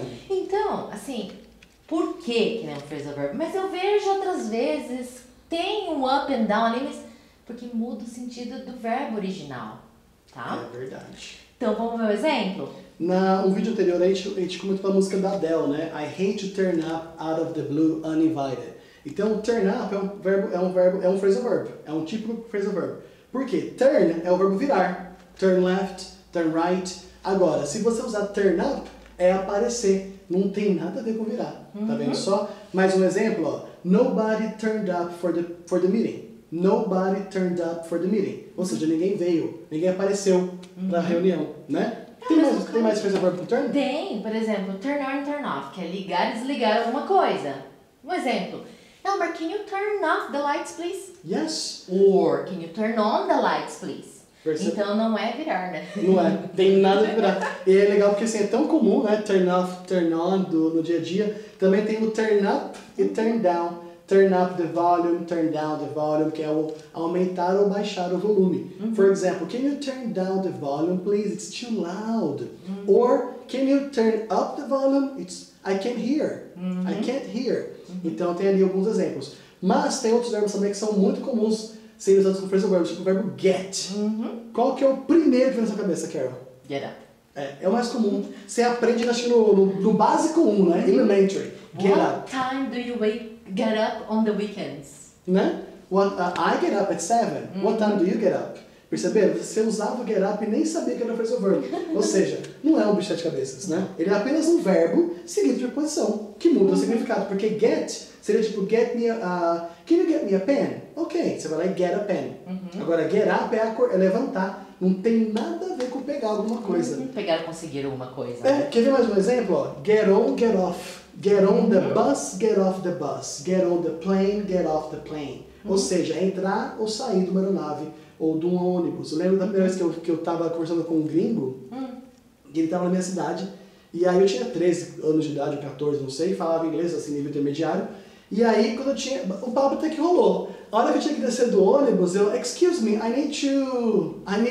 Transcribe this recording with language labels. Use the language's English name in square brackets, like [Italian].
[Portuguese] Então, assim, por que que é um phrasal verb? Mas eu vejo outras vezes, tem um up and down ali, mas porque muda o sentido do verbo original, tá? É verdade. Então, vamos ver um exemplo? No vídeo anterior, a gente comentou a música da Adele, né? [English] I hate to turn up out of the blue uninvited. [Portuguese] Então, turn up é um phrasal verb. É um típico phrasal verb. Por quê? [English] Turn é o verbo virar. Turn left, turn right. [Portuguese] Agora, se você usar turn up, é aparecer. Não tem nada a ver com virar. Uhum. Tá vendo só? Mais um exemplo, ó. [English] Nobody turned up for the meeting. Nobody turned up for the meeting. [Portuguese] Ou seja, ninguém veio, ninguém apareceu pra reunião, né? Tem mais phrasal verb pro turn? Tem, por exemplo, turn on, turn off, que é ligar e desligar alguma coisa. Um exemplo. [English] Elmer, can you turn off the lights, please? Yes. Or, can you turn on the lights, please? [Portuguese] Perceba. Então não é virar, né? Não é, tem nada a virar. E é legal porque assim, é tão comum, né? Turn off, turn on, no dia a dia. Também tem o turn up e turn down. Turn up the volume, turn down the volume, que é o aumentar ou baixar o volume. Uhum. [English] For example, can you turn down the volume, please? It's too loud. Uhum. Or, can you turn up the volume? I can't hear. [Portuguese] Uhum. I can't hear. Uhum. Então, tem ali alguns exemplos. Mas tem outros verbos também que são muito comuns serem usados com phrasal verbs, tipo o verbo get. Uhum. Qual que é o primeiro que vem na sua cabeça, Carol? [English] Get up. [Portuguese] É o mais comum. Você aprende, acho que no básico 1, né? Elementary. Get [English] What up. What time do you wake? Get up on the weekends. Né? I get up at 7. Mm-hmm. What time do you get up? Percebeu? [Portuguese] Você usava get up e nem sabia que era phrasal verb. Ou seja, não é um bicho de cabeças, né? Ele é apenas um verbo seguido de preposição, que muda o significado. [English] Porque get seria tipo, get me a... can you get me a pen? [Portuguese] Ok, você vai lá e get a pen. Uh-huh. Agora, get up é levantar. Não tem nada a ver com pegar alguma coisa. Uh-huh. Pegar, conseguir alguma coisa. É, quer ver mais um exemplo? Get on, get off. [English] Get on the bus, get off the bus. Get on the plane, get off the plane. Uh-huh. [Portuguese] Ou seja, entrar ou sair de uma aeronave. Ou de um ônibus. Eu lembro da primeira vez que eu tava conversando com um gringo, e ele tava na minha cidade, e aí eu tinha 13 anos de idade, 14, não sei, falava inglês, assim, nível intermediário, e aí quando eu tinha... o papo até que rolou. A hora que eu tinha que descer do ônibus, eu, excuse me, I need to...